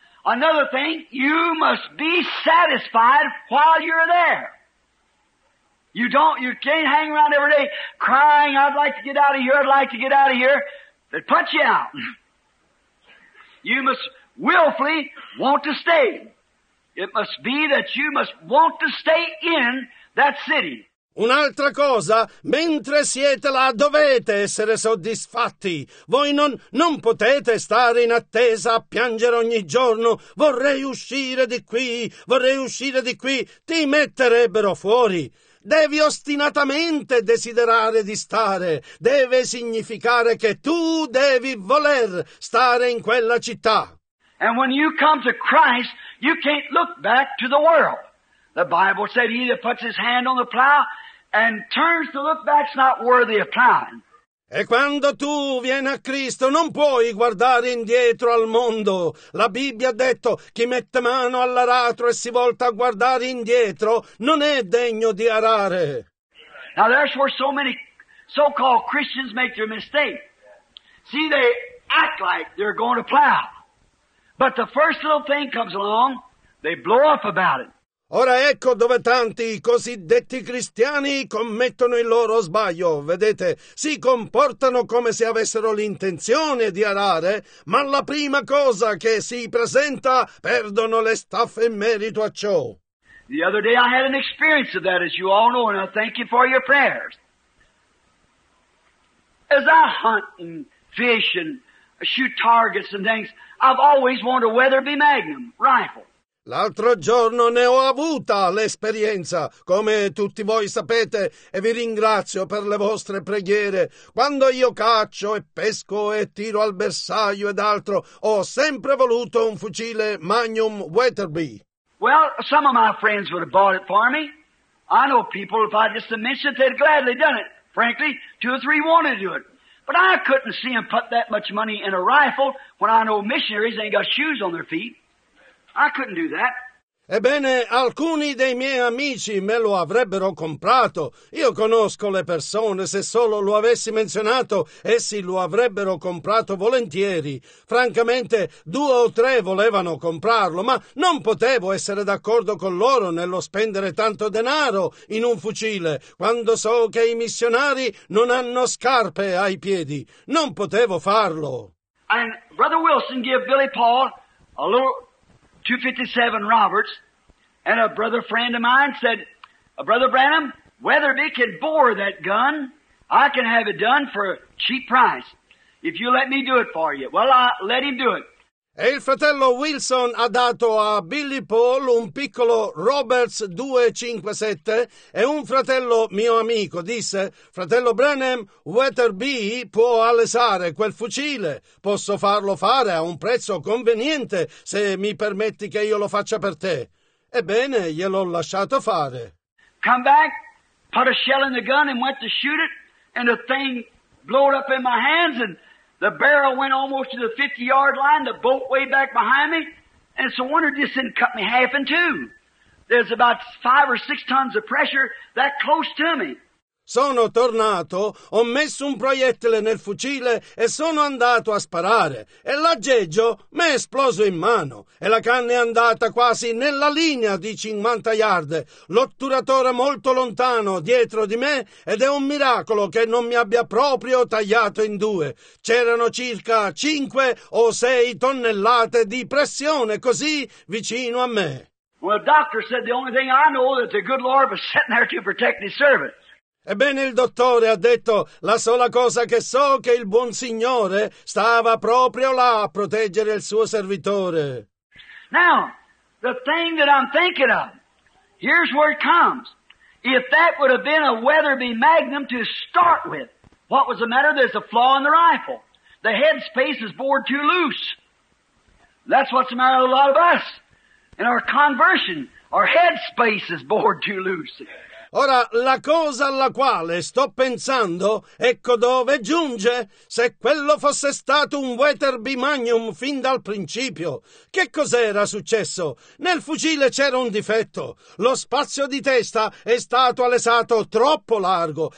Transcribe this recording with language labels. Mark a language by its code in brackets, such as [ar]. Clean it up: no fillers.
[en] Another thing, you must be satisfied while you're there. You can't hang around every day crying, I'd like to get out of here, I'd like to get out of here. They'd punch you out. You must willfully want to stay. It must be that you must want to stay in that city. [it] Un'altra cosa, mentre siete là dovete essere soddisfatti. Voi non potete stare in attesa a piangere ogni giorno. Vorrei uscire di qui, vorrei uscire di qui. Ti metterebbero fuori. Devi ostinatamente desiderare di stare. Deve significare che tu devi voler stare in quella città. [en] And when you come to Christ, you can't look back to the world. The Bible said he that puts his hand on the plow and turns to look back is not worthy of plowing. [it] E quando tu vieni a Cristo non puoi guardare indietro al mondo. La Bibbia ha detto chi mette mano all'aratro e si volta a guardare indietro non è degno di arare. [en] Now that's where so many so-called Christians make their mistake. See, they act like they're going to plow. But the first little thing comes along, they blow up about it. [it] Ora ecco dove tanti cosiddetti cristiani commettono il loro sbaglio, vedete? Si comportano come se avessero l'intenzione di arare, ma la prima cosa che si presenta, perdono le staffe in merito a ciò. [en] The other day I had an experience of that, as you all know, and I thank you for your prayers. As I hunt and fish and shoot targets and things, I've always wanted a Weatherby Magnum rifle. [it] L'altro giorno ne ho avuta l'esperienza, come tutti voi sapete, e vi ringrazio per le vostre preghiere. Quando io caccio e pesco e tiro al bersaglio ed altro, ho sempre voluto un fucile Magnum Weatherby. [en] Well, some of my friends would have bought it for me. I know people, if I just mentioned it, they'd gladly done it. Frankly, two or three wanted to do it. But I couldn't see them put that much money in a rifle when I know missionaries ain't got shoes on their feet. I couldn't do that. [it] Ebbene, alcuni dei miei amici me lo avrebbero comprato. Io conosco le persone, se solo lo avessi menzionato, essi lo avrebbero comprato volentieri. Francamente, due o tre volevano comprarlo, ma non potevo essere d'accordo con loro nello spendere tanto denaro in un fucile, quando so che i missionari non hanno scarpe ai piedi. Non potevo farlo. [en] And Brother Wilson gave Billy Paul a little 257 Roberts, and a brother friend of mine said, Brother Branham, Weatherby can bore that gun. I can have it done for a cheap price if you let me do it for you. Well, I let him do it. [it] E il fratello Wilson ha dato a Billy Paul un piccolo Roberts 257 e un fratello mio amico disse, fratello Branham, Weatherby può alesare quel fucile, posso farlo fare a un prezzo conveniente se mi permetti che io lo faccia per te. Ebbene, gliel'ho lasciato fare. [en] Come back, put a shell in the gun and went to shoot it and the thing blowed up in my hands and the barrel went almost to the 50-yard line, the boat way back behind me, and it's a wonder it just didn't cut me half in two. There's about 5 or 6 tons of pressure that close to me. [it] Sono tornato, ho messo un proiettile nel fucile e sono andato a sparare. E l'aggeggio mi è esploso in mano e la canna è andata quasi nella linea di 50 yard. L'otturatore molto lontano dietro di me ed è un miracolo che non mi abbia proprio tagliato in due. C'erano circa 5 o 6 tonnellate di pressione così vicino a me. [en] Well, the doctor said the only thing I know is that the good Lord was sitting there to protect his servant. [it] Ebbene, il dottore ha detto, la sola cosa che so è che il buon signore stava proprio là a proteggere il suo servitore. [en] Now, the thing that I'm thinking of, here's where it comes. If that would have been a Weatherby Magnum to start with, what was the matter? There's a flaw in the rifle. The headspace is bored too loose. That's what's the matter with a lot of us. In our conversion, our headspace is bored too loose. [it] Ora, la cosa alla quale sto pensando, ecco dove giunge, se quello fosse stato un Weatherby Magnum fin dal principio. Che cos'era successo? Nel fucile c'era un difetto. Lo spazio di testa è stato alesato troppo largo.